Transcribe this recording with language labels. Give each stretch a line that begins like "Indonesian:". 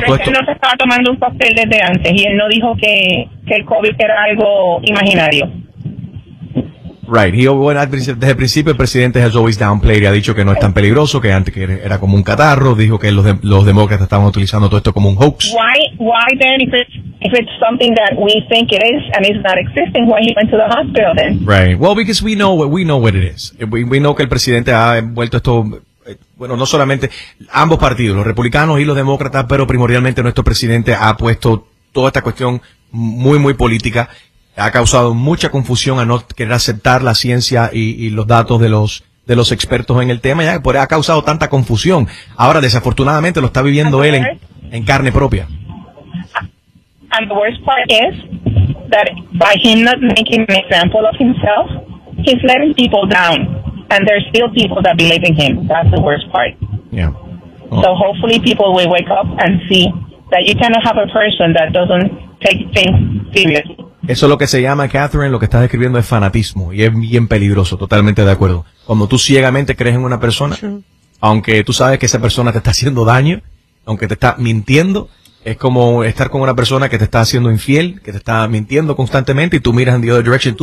Spanish: todo esto. Él no se estaba tomando un cóctel desde antes y él no dijo que el COVID era algo imaginario.
English: Right.
Spanish: Desde el principio el presidente has always downplayed y ha dicho que no es tan peligroso, que antes que era como un catarro, dijo que los demócratas estaban utilizando todo esto como un hoax.
English: Why then if it's something that we think it is and it's not existing, why he went to the hospital then?
Spanish: Right. Well, because we know what it is. We know que el presidente ha vuelto esto, bueno, no solamente ambos partidos, los republicanos y los demócratas, pero primordialmente nuestro presidente ha puesto toda esta cuestión muy muy política. Ha causado mucha confusión a no querer aceptar la ciencia y los datos de los expertos en el tema. Ya ha causado tanta confusión. Ahora, desafortunadamente, lo está viviendo él en carne propia.
English: And the worst part is that by him not making an example of himself, he's letting people down. And there's still people that believe in him. That's the worst part. Yeah. Oh. So hopefully people will wake up and see that you cannot have a person that doesn't take things seriously.
Spanish: Eso es lo que se llama, Catherine, lo que estás describiendo es fanatismo y es bien peligroso, totalmente de acuerdo. Cuando tú ciegamente crees en una persona, aunque tú sabes que esa persona te está haciendo daño, aunque te está mintiendo, es como estar con una persona que te está haciendo infiel, que te está mintiendo constantemente y tú miras en the other direction.